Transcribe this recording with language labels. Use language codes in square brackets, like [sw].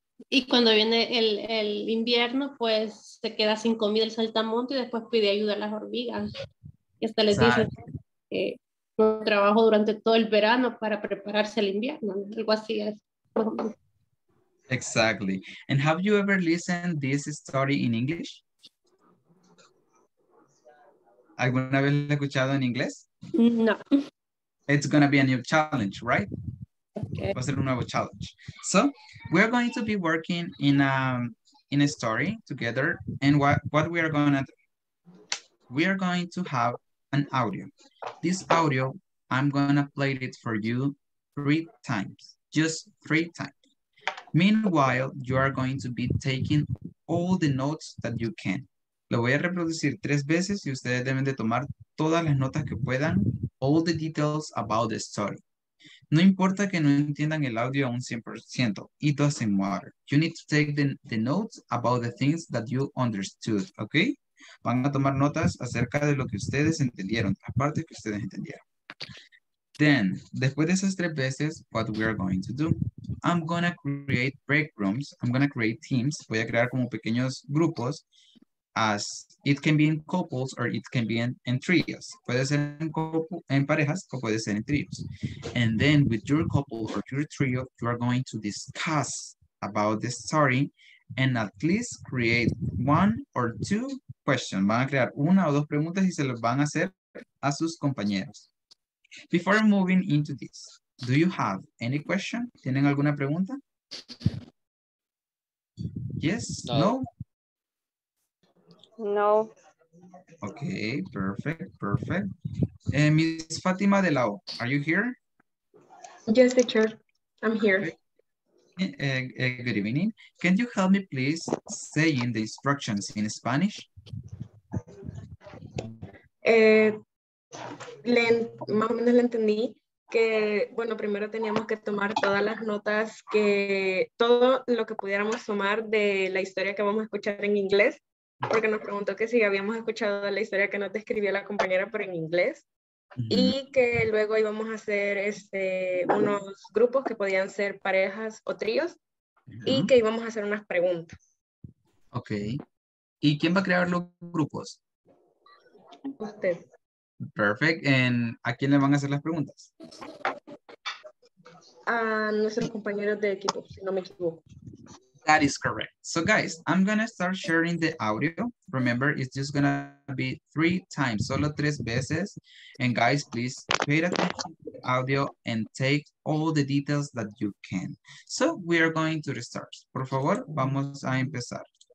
[es] Y cuando viene el invierno, pues se queda sin comida el saltamonte y después pide ayuda a las hormigas. Y hasta les dice que no trabajo durante todo el verano para prepararse al invierno, ¿no? Algo así es. [en] Exactly. And have you ever listened this story in English? [es] ¿Alguna vez lo he escuchado en inglés? No. [en] It's going to be a new challenge, right? Okay. [es] Va a ser un nuevo challenge. [en] So, we are going to be working in a story together. And what we are going to do? We are going to have an audio. This audio, I'm going to play it for you 3 times. Just 3 times. Meanwhile, you are going to be taking all the notes that you can. [es] Lo voy a reproducir 3 veces y ustedes deben de tomar todas las notas que puedan. [en] All the details about the story. [es] No importa que no entiendan el audio a un 100%, [en] it doesn't matter. You need to take the notes about the things that you understood, ¿ok? [es] Van a tomar notas acerca de lo que ustedes entendieron, aparte que ustedes entendieron. [en] Then, [es] después de esas tres veces, [en] what we are going to do? I'm going to create break rooms, I'm going to create teams. [es] Voy a crear como pequeños grupos, [en] as it can be in couples or it can be in trios. [es] Puede ser en parejas o puede ser en trios. [en] And then with your couple or your trio, you are going to discuss about the story and at least create one or two questions. [es] Van a crear una o dos preguntas y se las van a hacer a sus compañeros. [en] Before moving into this, do you have any question? [es] ¿Tienen alguna pregunta? [en] Yes? No? No. Okay, perfect, perfect. Miss Fátima de la O, are you here? Yes, teacher, I'm here. Good evening. Can you help me please saying the instructions in Spanish? [es] Más o menos le entendí que, bueno, primero teníamos que tomar todas las notas que, todo lo que pudiéramos tomar de la historia que vamos a escuchar en inglés, porque nos preguntó que si habíamos escuchado la historia que nos describió la compañera, pero en inglés, mm-hmm. y que luego íbamos a hacer unos grupos que podían ser parejas o tríos, mm-hmm. y que íbamos a hacer unas preguntas. Ok. ¿Y quién va a crear los grupos? Usted. [en] Perfect. And [es] ¿a quién le van a hacer las preguntas? A nuestros compañeros de equipo, si no me equivoco. [en] That is correct. So guys, I'm going to start sharing the audio. Remember, it's just going to be three times, [es] solo tres veces. [en] And guys, please pay attention to the audio and take all the details that you can. So we are going to restart. [es] Por favor, vamos a empezar.